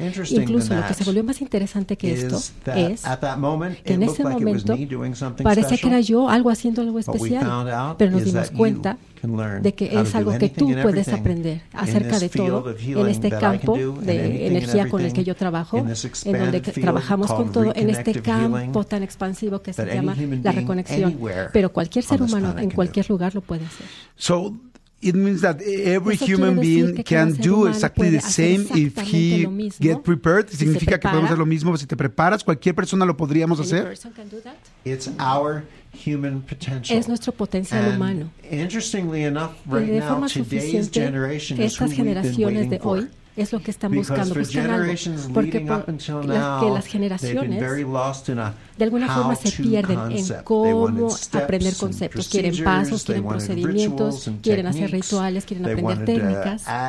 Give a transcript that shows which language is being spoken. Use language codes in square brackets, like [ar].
[es] Incluso lo que se volvió más interesante que esto es que en ese momento parecía que era yo algo haciendo algo especial, pero nos dimos cuenta de que es algo que tú puedes aprender acerca de todo en este campo de energía con el que yo trabajo, en donde trabajamos con todo, en este campo tan expansivo que se llama la reconexión. Pero cualquier ser humano en cualquier lugar lo puede hacer. [en] So, it means that every human being can do exactly the same if he gets prepared. [es] Significa que podemos hacer lo mismo si te preparas. Cualquier persona lo podríamos hacer. [en] It's our human potential. [es] Es nuestro potencial humano. [en] Interestingly enough, right now, today's generation is who we've been waiting for. [es] Es lo que están buscando, buscan algo, porque las generaciones de alguna forma se pierden en cómo aprender conceptos, quieren pasos, quieren procedimientos, quieren hacer rituales, quieren aprender técnicas,